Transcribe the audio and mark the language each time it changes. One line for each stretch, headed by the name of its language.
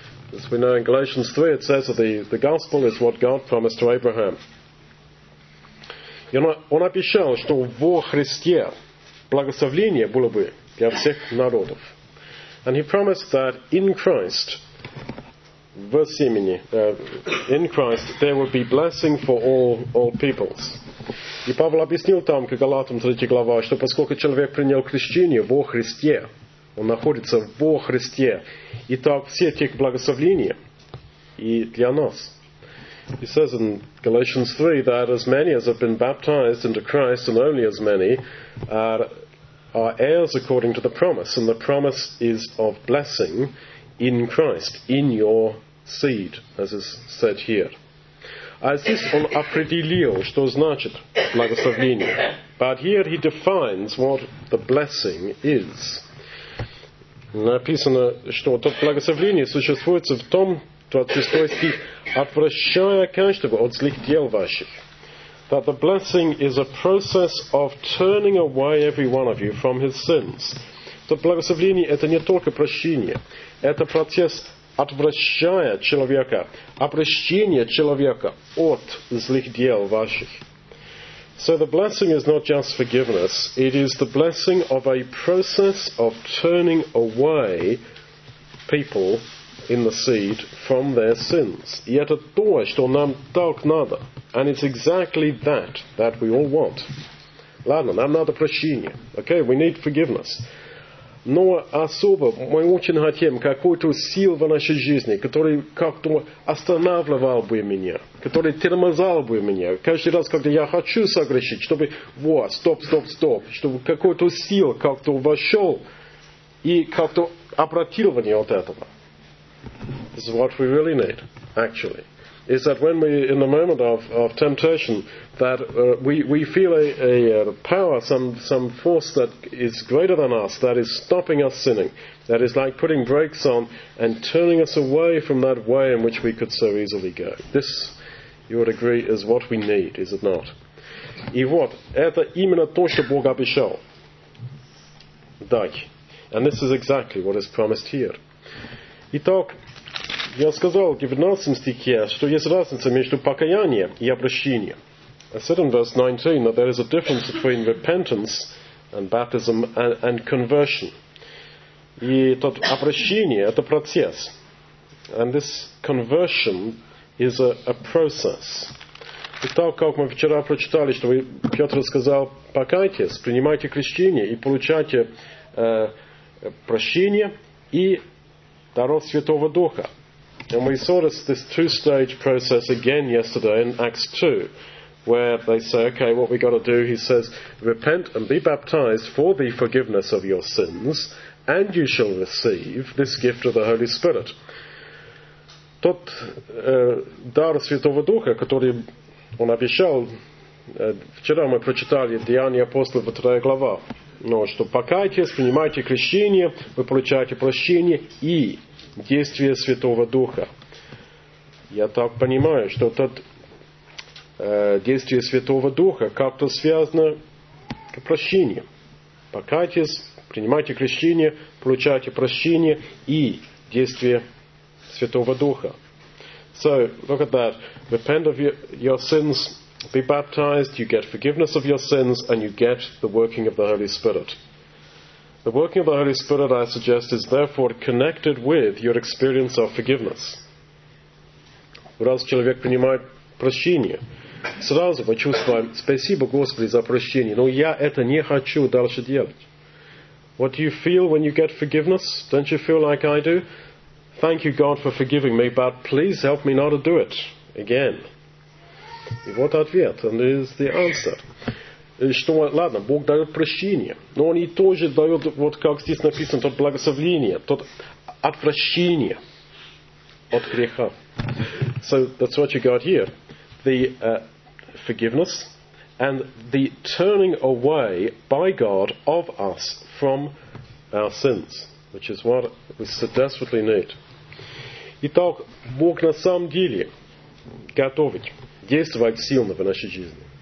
English: As we know in Galatians 3, it says that the gospel is what God promised to Abraham.
Russian: Он обещал, что во Христе благословение было бы для всех народов.
English: And he promised that in Christ,
Russian: в семени,
English: in Christ, there would be blessing for all peoples.
Russian: И Павел объяснил там, к Галатам 3 глава, что поскольку человек принял крещение во Христе, он находится во Христе, и так все те благословения и для нас.
English: He says in Galatians 3 that as many as have been baptized into Christ, and only as many, are heirs according to the promise, and the promise is of blessing in Christ, in your seed, as is said here.
Russian: А здесь он определил, что значит благословение.
English: But here he defines what the blessing is.
Russian: Написано, что то благословение существует в том, 26 стих, отвращая каждого от злых дел ваших.
English: That the blessing is a process of turning away every one of you from his sins.
Russian: То благословение – это не только прощение. Это процесс отвращая человека, обращение человека от злых дел ваших.
English: So the blessing is not just forgiveness. It is the blessing of a process of turning away people in the seed from their sins.
Russian: И это то, что нам так надо.
English: And it's exactly that we all want.
Russian: Ладно, нам надо прощение.
English: Okay, we need forgiveness.
Russian: Но особо мы очень хотим какой-то сил в нашей жизни, который как-то останавливал бы меня, который тормозал бы меня. Каждый раз, когда я хочу согрешить, чтобы, стоп, чтобы какой-то сил как-то вошел и как-то обратил меня от этого.
English: This is what we really need, actually. Is that when we, in the moment of temptation, that we feel a power, some force that is greater than us, that is stopping us sinning, that is like putting brakes on and turning us away from that way in which we could so easily go. This, you would agree, is what we need, is it not?
Russian: И вот, это именно то, что Бог обещал. Дай.
English: And this is exactly what is promised here.
Russian: Итак, я сказал в 19 стихе, что есть разница между покаянием и обращением.
English: I said in verse 19 that there is a difference between repentance and baptism and conversion.
Russian: И тот обращение – это процесс.
English: And this conversion is a process.
Russian: И так, как мы вчера прочитали, что Петр сказал, покайтесь, принимайте крещение и получайте прощение и дар Святого Духа.
English: And we saw this two-stage process again yesterday in Acts 2, where they say, okay, what we got to do, he says, repent and be baptized for the forgiveness of your sins, and you shall receive this gift of the Holy Spirit.
Russian: Тот дар Святого Духа, который он обещал, вчера мы прочитали Деяния апостолов, 2 глава. Но что покайтесь, принимайте крещение, вы получаете прощение и действие Святого Духа. Я так понимаю, что это действие Святого Духа как-то связано с прощением. Покайтесь, принимайте крещение, получайте прощение и действие Святого Духа.
English: So, look at that. Repent of your sins, be baptized, you get forgiveness of your sins, and you get the working of the Holy Spirit. The working of the Holy Spirit, I suggest, is therefore connected with your experience of forgiveness.
Russian: Раз человек принимает прощение, сразу почувствуем, спасибо Господи за прощение, но я это не хочу дальше делать.
English: What do you feel when you get forgiveness? Don't you feel like I do? Thank you, God, for forgiving me, but please help me not to do it again.
Russian: И вот ответ,
English: and is the answer.
Russian: Что, ладно, Бог дает прощение, но Он и тоже дает, вот как здесь написано, тот благословение, тот отвращение от греха.
English: So that's what you got here. The forgiveness and the turning away by God of us from our sins, which is what we so desperately need.
Russian: Итак, Бог на самом деле готовит действовать сильно в нашей жизни.